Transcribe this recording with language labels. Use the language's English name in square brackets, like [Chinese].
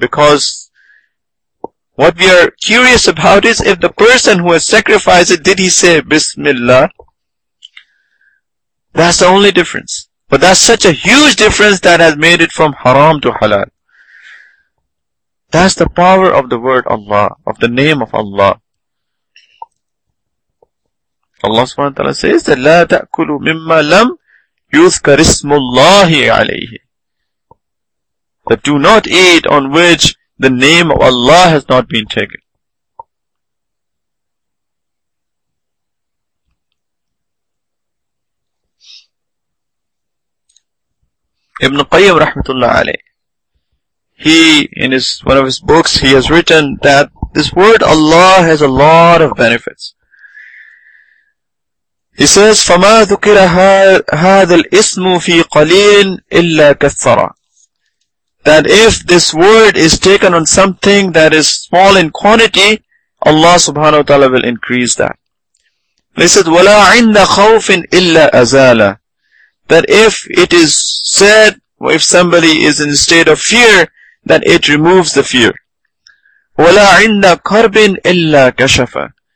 [English] Because what we are curious about is if the person who has sacrificed it, did he say Bismillah? That's the only difference. But that's such a huge difference that has made it from haram to halal. That's the power of the word Allah, of the name of Allah. Allah subhanahu wa ta'ala says that [Arabic] لا تأكلوا مما لم يذكر اسم الله عليه. [English] That do not eat on which the name of Allah has not been taken. Ibn Qayyim rahmatullah alayh, he, in his one of his books, he has written that this word Allah has a lot of benefits. [Arabic] He says, فَمَا ذُكِرَ هَذَا الْإِسْمُ فِي قَلِيلٍ إِلَّا كَثَّرًا. [English] That if this word is taken on something that is small in quantity, Allah subhanahu wa ta'ala will increase that. [Arabic] He says, وَلَا عِنْدَ خَوْفٍ إِلَّا أَزَالَ. [English] That if it is said, if somebody is in a state of fear, then it removes the fear. [Arabic] وَلَا عِنْدَ كَرْبٍ إِلَّا كَشَفَ.